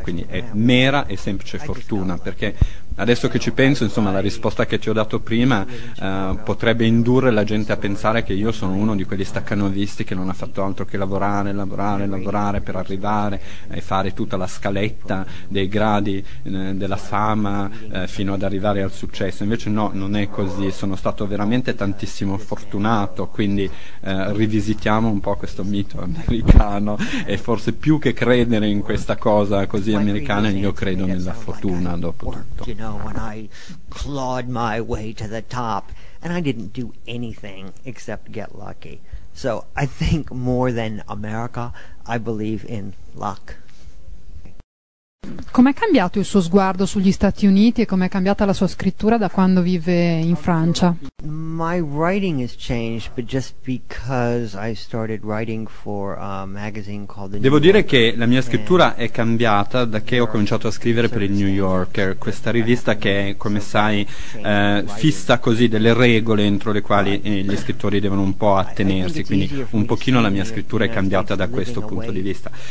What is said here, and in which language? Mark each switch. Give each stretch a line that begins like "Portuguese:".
Italian: Quindi è mera e semplice fortuna, perché adesso che ci penso, insomma, la risposta che ti ho dato prima potrebbe indurre la gente a pensare che io sono uno di quelli staccanovisti che non ha fatto altro che lavorare per arrivare e fare tutta la scaletta dei gradi della fama fino ad arrivare al successo. Invece no, non è così, sono stato veramente tantissimo fortunato. Quindi rivisitiamo un po' questo mito americano, e forse più che credere in questa cosa così americana, io credo nella fortuna, dopo tutto.
English: You know, when I clawed my way to the top, and I didn't do anything except get lucky. So I think more than America, I believe in luck.
Italian: Com'è cambiato il suo sguardo sugli Stati Uniti e com'è cambiata la sua scrittura da quando vive in Francia?
English: My writing has changed, but just because I started writing for a magazine called The New
Italian: Devo dire che la mia scrittura è cambiata da che ho cominciato a scrivere per il New Yorker, questa rivista che, come sai, fissa così delle regole entro le quali gli scrittori devono un po' attenersi. Quindi un pochino la mia scrittura è cambiata da questo punto di vista.